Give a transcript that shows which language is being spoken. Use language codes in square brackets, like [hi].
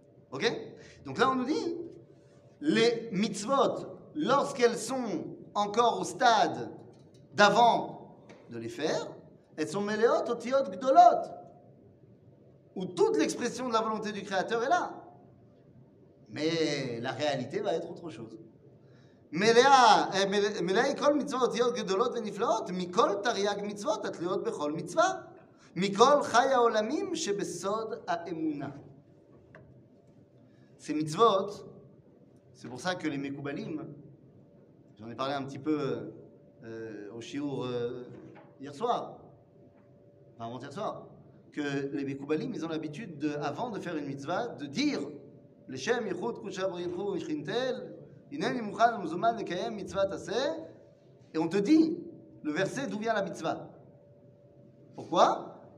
[fr] Ok ? Donc là, on nous dit, les mitzvot, lorsqu'elles sont encore au stade d'avant de les faire, elles sont [he] meleot otiot gdolot, [fr] où toute l'expression de la volonté du Créateur est là. Mais la réalité va être autre chose. [he] מלאי כל מצוות אותיות גדולות ונפלאות, מכל תרי"ג מצוות התלויות בכל מצווה, מכל חי העולמים שבסוד האמונה. [fr] Ces מצוות, c'est pour ça que les מקובלים, j'en ai parlé un petit peu au שיעור hier soir, avant hier soir, que les מקובלים, ils ont l'habitude, de, avant de faire une מצווה, de dire, [he] לשם יחוד קודשא בריך הוא ושכינתל, [fr] et on te dit le verset d'où vient la mitzvah. Pourquoi ?